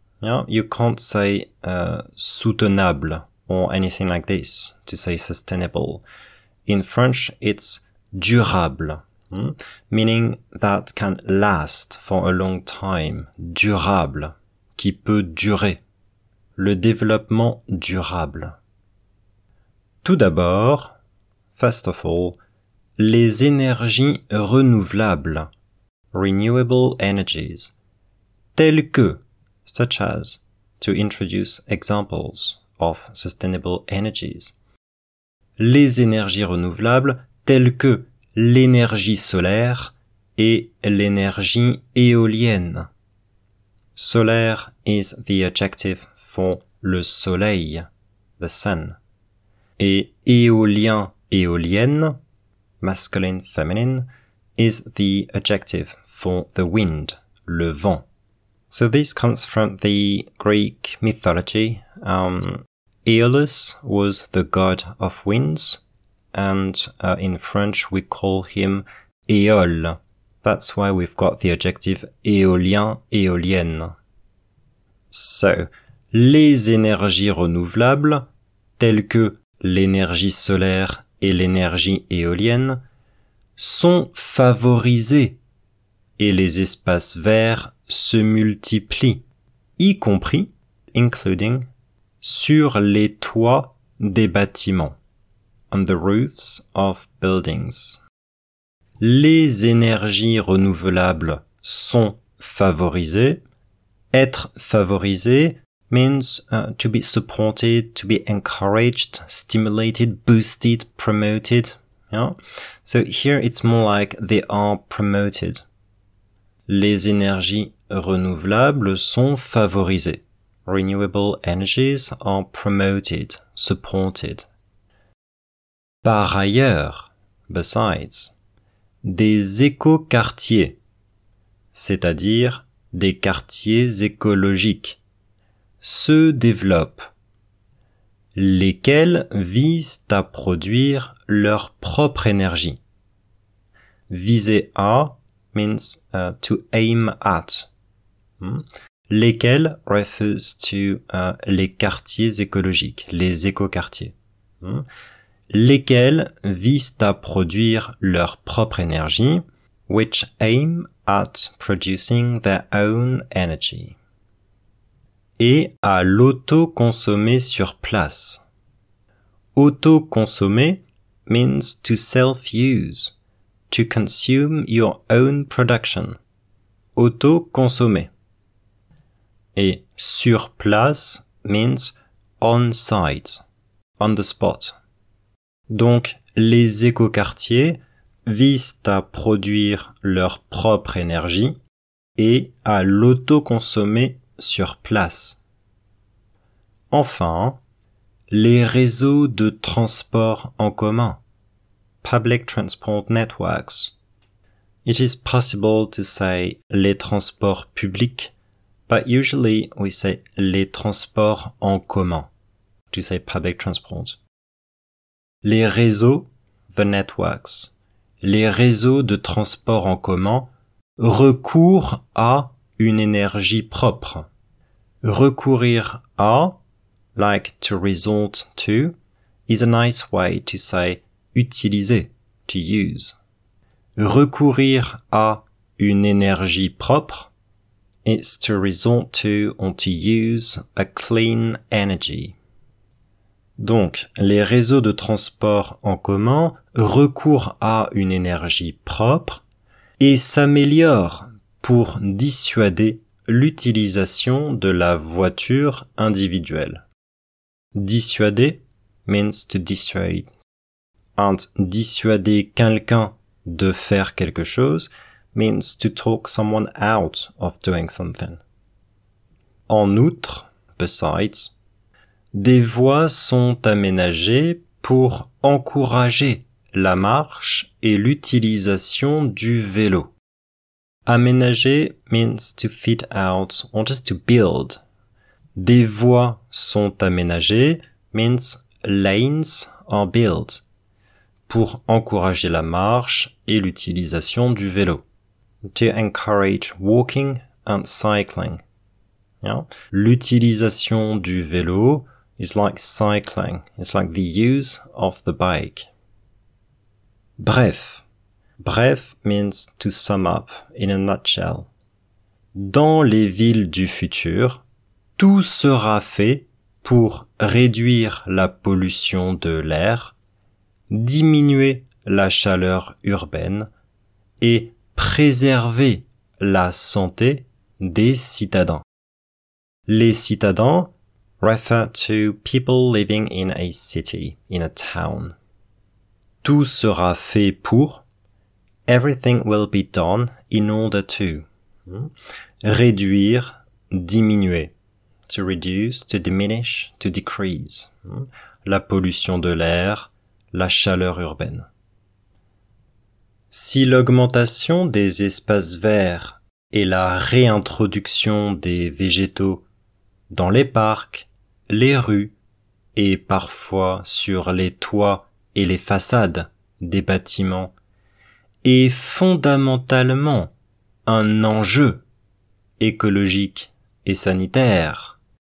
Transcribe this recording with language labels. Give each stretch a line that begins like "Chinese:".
English: You know, you can't say soutenable or anything like this to say sustainable. In French, it's durable, meaning that can last for a long time.
French: Durable, qui peut durer. Le développement durable. Tout d'abord,
English: first of all,
French: les énergies renouvelables,
English: renewable energies,
French: telles que,
English: such as, to introduce examples of sustainable energies.
French: Les énergies renouvelables telles que l'énergie solaire et l'énergie éolienne.
English: Solaire is the adjective for le soleil, the sun. Et éolien, éolienne, masculine, feminine, is the adjective for the wind, le vent. So this comes from the Greek mythology. Aeolus was the god of winds, and in French we call him Éole. That's why we've got the adjective éolien, éolienne.
French: So, les énergies renouvelables, telles que l'énergie solaire et l'énergie éolienne, sont favorisées, et les espaces verts se multiplient, y compris, including, sur les toits des bâtiments.
English: On the roofs of buildings.
French: Les énergies renouvelables sont favorisées. Être favorisé
English: means to be supported, to be encouraged, stimulated, boosted, promoted. Yeah? So here it's more like they are promoted.
French: Les énergies renouvelables sont favorisées.
English: Renewable energies are promoted, supported.
French: Par ailleurs, besides, des éco-quartiers, c'est-à-dire des quartiers écologiques, se développent, lesquels visent à produire leur propre énergie.
English: Viser à means to aim at.
French: Lesquels
English: refers to
French: les quartiers écologiques, les éco-quartiers. Lesquels visent à produire leur propre énergie,
English: which aim at producing their own energy.
French: Et à l'auto-consommer sur place.
English: Auto-consommer means to self-use, to consume your own production. Auto-consommer.
French: Et sur place
English: means on-site, on the spot.
French: Donc, les éco-quartiers visent à produire leur propre énergie et à l'auto-consommer sur place. Enfin, les réseaux de transport en commun.
English: Public transport networks. It is possible to say
French: les transports publics,
English: but usually we say
French: les transports en commun.
English: To say public transport.
French: Les réseaux,
English: the networks,
French: les réseaux de transport en commun recourent à une énergie propre.
English: Recourir à, like to resort to, is a nice way to say utiliser, to use.
French: Recourir à une énergie propre
English: is to resort to or to use a clean energy.
French: Donc, les réseaux de transport en commun recourent à une énergie propre et s'améliorent pour dissuader l'utilisation de la voiture individuelle.
English: Dissuader means to dissuade. And
French: dissuader quelqu'un de faire quelque chose
English: means to talk someone out of doing something.
French: En outre, besides, des voies sont aménagées pour encourager la marche et l'utilisation du vélo.
English: Aménager means to fit out or just to build.
French: Des voies sont aménagées
English: means lanes are built
French: pour encourager la marche et l'utilisation du vélo.
English: To encourage walking and cycling. Yeah?
French: L'utilisation du vélo
English: is like cycling, it's like the use of the bike. Bref. Bref means to sum up in a nutshell.
French: Dans les villes du futur, tout sera fait pour réduire la pollution de l'air, diminuer la chaleur urbaine et préserver la santé des citadins.
English: Les citadins refer to people living in a city, in a town.
French: Tout sera fait pour.
English: Everything will be done in order to. Réduire, diminuer. To reduce, to diminish, to decrease.
French: La pollution de l'air, la chaleur urbaine. Si l'augmentation des espaces verts et la réintroduction des végétaux dans les parcs, les rues et parfois sur les toits et les façades des bâtiments est fondamentalement un enjeu écologique et sanitaire.